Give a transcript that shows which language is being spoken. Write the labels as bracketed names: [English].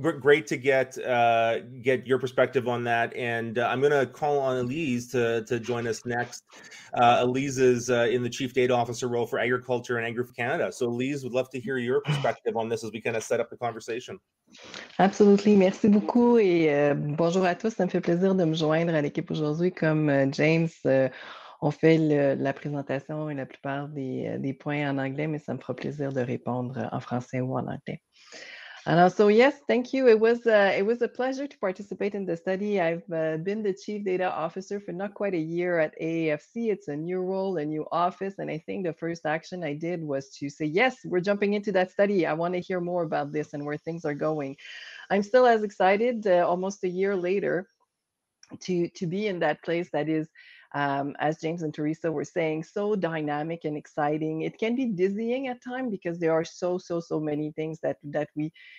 [English] Great to get your perspective on that. And I'm going to call on Elise to join us next. Elise is in the Chief Data Officer role for Agriculture and Agri-food Canada. So Elise, would love to hear your perspective on this as we kind of set up the conversation. Absolutely. [French] Merci beaucoup. Et bonjour à tous. Ça me fait plaisir de me joindre à l'équipe aujourd'hui. Comme James, on fait la présentation et la plupart des points en anglais, mais ça me fera plaisir de répondre en français ou en anglais. Alors, [English] so yes, thank you. It was a pleasure to participate in the study. I've been the Chief Data Officer for not quite a year at AAFC. It's a new role, a new office, and I think the first action I did was to say, yes, we're jumping into that study. I want to hear more about this and where things are going. I'm still as excited almost a year later to be in that place that is, as James and Teresa were saying, so dynamic and exciting. It can be dizzying at times because there are so many things that we